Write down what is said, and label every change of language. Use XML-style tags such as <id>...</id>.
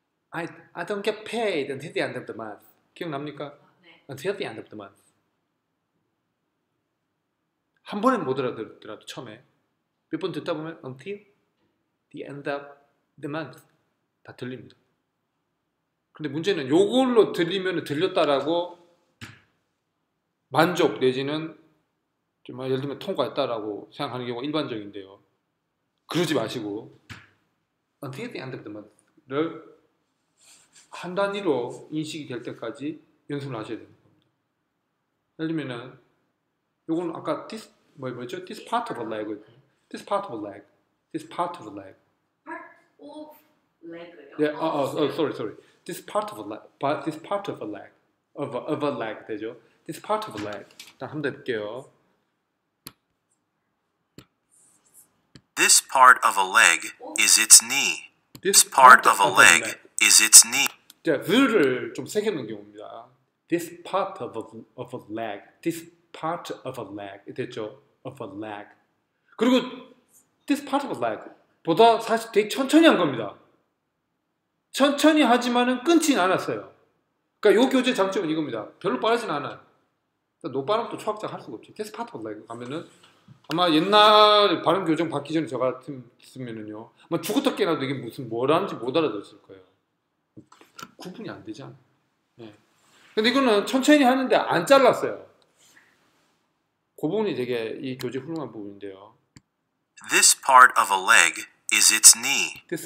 <en>I don't get paid until the end of the month.</en> <ko>기억납니까? 네.</ko> <en>Until the end of the month.</en> <ko>한 번에 못 알아들더라도 처음에 몇 번 듣다 보면</ko> <en>until the end of the month</en> <ko>다 들립니다. 근데 문제는 요걸로 들리면 들렸다라고 만족 내지는 좀 예를 들면 통과했다라고 생각하는 경우가 일반적인데요. 그러지 마시고</ko> <en>until the end of the month를</en> <ko>한 단위로 인식이 될 때까지 연습을 하셔야 되는 겁니다. 예를 들면은 요건 아까 this 뭐였죠?</ko> <en>This part of a leg. This part of a leg. This part of a leg. Part of leg. Yeah. Sorry. This part of a leg. But this part of a leg. Of a leg</en> <ko>되죠?</ko> <en>This part of a leg.</en> <ko>다 한번 해볼게요.</ko> <en>This part of a leg is its knee. This part of a leg is its knee.</en> <ko>자, 를 좀 세게 넣는 경우입니다.</ko> <en>This part of a leg. This part of a leg.</en> <ko>됐죠?</ko> <en>Of a leg.</en> <ko>그리고</ko> <en>this part of a leg</en> <ko>보다 사실 되게 천천히 한 겁니다. 천천히 하지만은 끊진 않았어요. 그러니까 요 교재 장점은 이겁니다. 별로 빠르진 않아요. 그러니까 노빠름도 초학자 할 수가 없죠.</ko> <en>This part of a leg</en> <ko>하면은 아마 옛날 발음 교정 받기 전에 저 같으면은요 아마 죽었다 깨나도 이게 무슨 뭐라는지 못 알아들었을 거예요. 구분이 안 되지 않아요. 네. 근데 이거는 천천히 하는데 안 잘랐어요. 그 부분이 되게 이 교재 훌륭한 부분인데요.</ko> <en>This part of a leg is its knee.</en>